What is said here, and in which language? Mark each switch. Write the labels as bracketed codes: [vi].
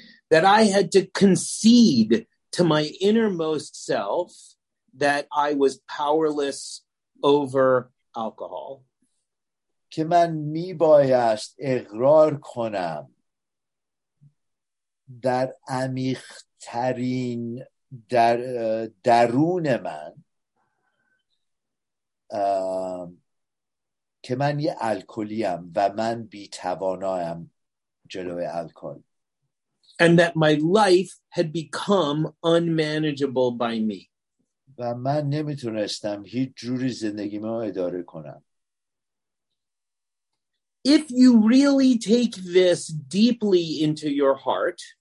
[en] That I had to concede to my innermost self that I was powerless over alcohol. [fa] که من میبایست اقرار کنم در عمیق‌ترین در درون من که من یه الکلی‌ام و من بی‌توانایم جلوی الکل. [en] And that my life had become unmanageable by me. [fa] و من نمیتونستم هیچ جوری زندگیمو اداره کنم. [en] If you really take this deeply into your heart,